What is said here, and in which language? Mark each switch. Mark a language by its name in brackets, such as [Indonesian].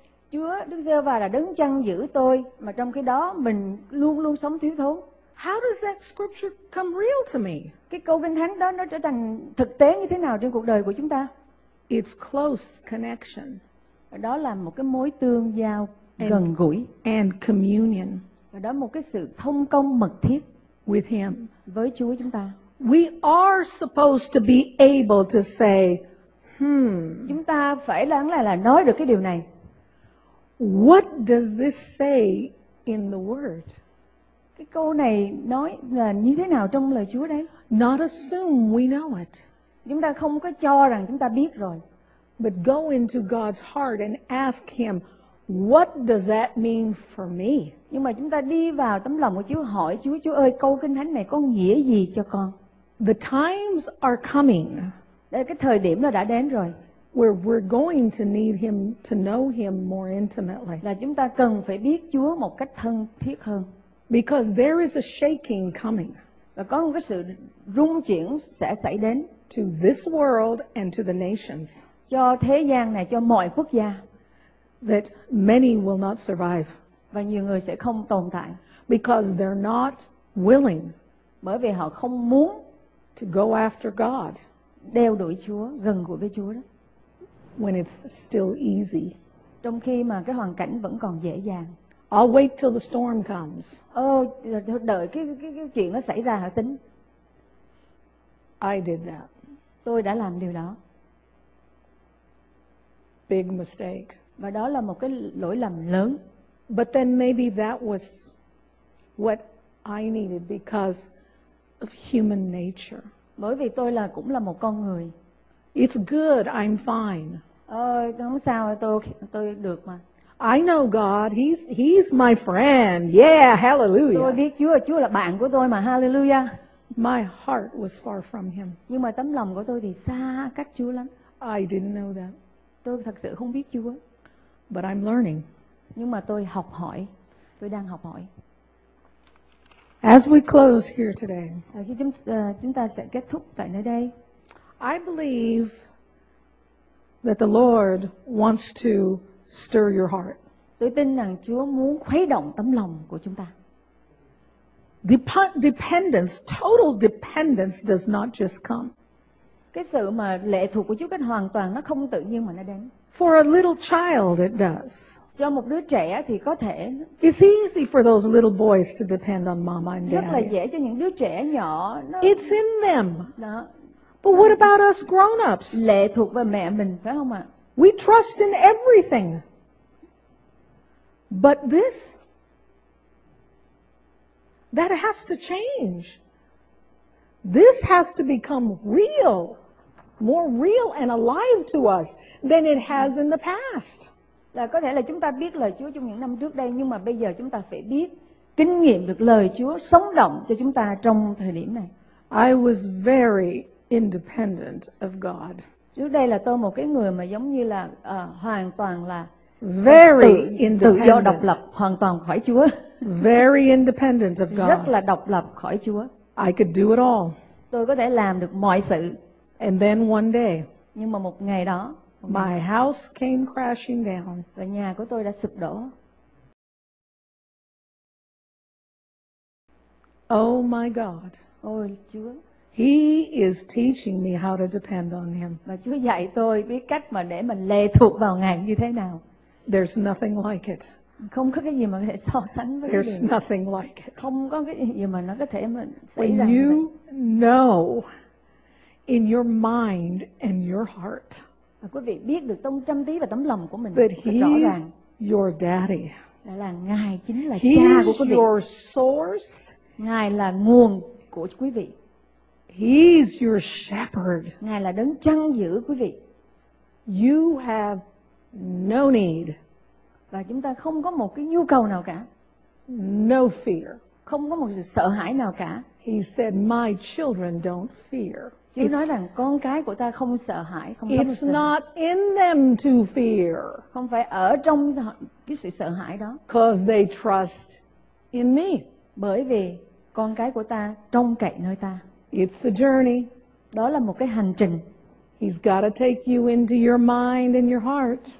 [Vietnamese] Chúa Đức Giê-hô-va là đấng chăn giữ tôi, mà trong khi đó mình luôn luôn sống thiếu thốn. [English] How does that scripture come real to me? [Vietnamese] Cái câu kinh thánh đó nó trở thành thực tế như thế nào trên cuộc đời của chúng ta? [English] It's close connection. [Vietnamese] Đó là một cái mối tương giao gần gũi. [English] And communion. [Vietnamese] Và đó một cái sự thông công mật thiết [English] with him. [Vietnamese] Với Chúa chúng ta. [English] We are supposed to be able to say, [Vietnamese] chúng ta phải lắng lại là nói được cái điều này. [English] What does this say in the word? [Vietnamese] Cái câu này nói là như thế nào trong lời Chúa đấy? [English] Not assume we know it. [Vietnamese] Chúng ta không có cho rằng chúng ta biết rồi. [English] But go into God's heart and ask him, what does that mean for me? [Vietnamese] Nhưng mà chúng ta đi vào tấm lòng của Chúa, hỏi Chúa, Chúa ơi, câu kinh thánh này có nghĩa gì cho con? [English] The times are coming. [Vietnamese] Đây, cái thời điểm nó đã đến rồi. [English] Where we're going to need him to know him more intimately. [Vietnamese] Là chúng ta cần phải biết Chúa một cách thân thiết hơn. [English] Because there is a shaking coming. [Vietnamese] Và có một cái sự rung chuyển sẽ xảy đến. [English] To this world and to the nations. [Vietnamese] Cho thế gian này, cho mọi quốc gia. [English] That many will not survive. [Vietnamese] Và nhiều người sẽ không tồn tại. [English] Because they're not willing. [Vietnamese] Bởi vì họ không muốn. [English] To go after God. [Vietnamese] Đeo đuổi Chúa, gần gũi với Chúa đó. [English] When it's still easy. [Vietnamese] Trong khi mà cái hoàn cảnh vẫn còn dễ dàng. [English] I'll wait till the storm comes. [Vietnamese] Đợi cái chuyện nó xảy ra hả tính. [English] I did that. [Vietnamese] Tôi đã làm điều đó. [English] Big mistake. [Vietnamese] Và đó là một cái lỗi lầm lớn. [English] But then maybe that was what I needed because of human nature. [Vietnamese] Bởi vì tôi là cũng là một con người. [English] It's good, I'm fine. [Vietnamese] Không sao, tôi được mà. [English] I know God, he's my friend. Yeah, hallelujah. [Vietnamese] Tôi biết Chúa là bạn của tôi mà, hallelujah. [English] My heart was far from him. [Vietnamese] Nhưng mà tấm lòng của tôi thì xa cách Chúa lắm. [English] I didn't know that. [Vietnamese] Tôi thật sự không biết Chúa. [English] But I'm learning. [Vietnamese] Nhưng mà tôi học hỏi. Tôi đang học hỏi. [English] As we close here today. [Vietnamese] Khi chúng ta sẽ kết thúc tại nơi đây. [English] I believe that the Lord wants to stir your heart. [Vietnamese] Tôi tin rằng Chúa muốn khuấy động tấm lòng của chúng ta. [English] Dependence, total dependence does not just come. [Vietnamese] Cái sự mà lệ thuộc của Chúa cách hoàn toàn nó không tự nhiên mà nó đến. [English] For a little child it does. [Vietnamese] Cho một đứa trẻ thì có thể. [English] It's easy for those little boys to depend on mama and daddy. [Vietnamese] Rất là dễ cho những đứa trẻ nhỏ nó. [English] It's in them. [Vietnamese] Đó. [English] But what about us grown-ups? [Vietnamese] Lệ thuộc vào mẹ mình phải không ạ? [English] We trust in everything. But this, that has to change. This has to become real, more real and alive to us than it has in the past. [Vietnamese] Là có thể là chúng ta biết lời Chúa trong những năm trước đây, nhưng mà bây giờ chúng ta phải biết kinh nghiệm được lời Chúa sống động cho chúng ta trong thời điểm này. [English] I was very independent of God. [Vietnamese] Trước đây là tôi một cái người mà giống như là hoàn toàn là [English] very [Vietnamese] tự do độc lập, hoàn toàn khỏi Chúa. [English] Very independent of God. [Vietnamese] Rất là độc lập khỏi Chúa. [English] I could do it all. [Vietnamese] Tôi có thể làm được mọi sự. [English] And then one day. [Vietnamese] Nhưng mà một ngày đó. [English] My house came crashing down. [Vietnamese] Và nhà của tôi đã sụp đổ. [English] Oh my God. [Vietnamese] Ôi Chúa. [English] He is teaching me how to depend on him. [Vietnamese] Và Chúa dạy tôi biết cách mà để mình lệ thuộc vào Ngài như thế nào. [English] There's nothing like it. [Vietnamese] Không có cái gì mà có thể so sánh với. [English] There's nothing like it. [Vietnamese] Không có cái gì mà nó có thể mà xảy [English] when [Vietnamese] ra. [English] When you know in your mind and your heart. [Vietnamese] Và quý vị biết được trong tâm trí và tấm lòng của mình [English] that [Vietnamese] rõ ràng. [English] Your daddy. [Vietnamese] Là Ngài chính là [English] he's [Vietnamese] cha của quý vị. [English] Your source. [Vietnamese] Ngài là nguồn của quý vị. [English] He's your shepherd. [Vietnamese] Ngài là đấng chăn giữ quý vị. [English] You have no need. [Vietnamese] Và chúng ta không có một cái nhu cầu nào cả. [English] No fear. [Vietnamese] Không có một sự sợ hãi nào cả. [English] He said my children don't fear. [Vietnamese] Chúa nói rằng con cái của ta không sợ hãi, không sợ. [English] It's not in them to fear. [Vietnamese] Không phải ở trong cái sự sợ hãi đó. [English] Cause they trust in me. [Vietnamese] Bởi vì con cái của ta trông cậy nơi ta. [English] It's a journey. [Vietnamese] Đó là một cái hành trình. [English] He's got to take you into your mind and your heart.